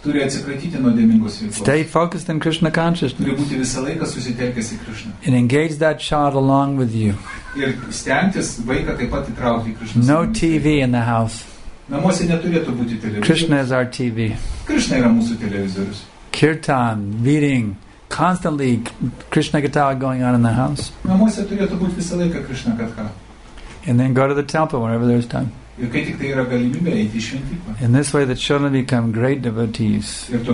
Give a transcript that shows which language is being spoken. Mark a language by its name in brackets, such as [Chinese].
[Lithuanian] Turi atsikratyti nuodėmingos veiklos. [English] Stay focused in Krishna consciousness. [Lithuanian] Turi būti visą laiką susitelkęs į Krishna. [English] And engage that child along with you. [Lithuanian] Ir stengtis vaiką taip pat įtraukti į Krishna. [English] No TV in the house. [Lithuanian] Namuose neturėtų būti televizorius. [English] Krishna is our TV. [Lithuanian] Krishna yra mūsų televizorius. [English] Kirtan, reading, constantly Krishna Gita going on in the house. [Lithuanian] Namuose turėtų būti visą laiką Krishna Gita. [English] And then go to the temple whenever there's time. In this way, the children become great devotees.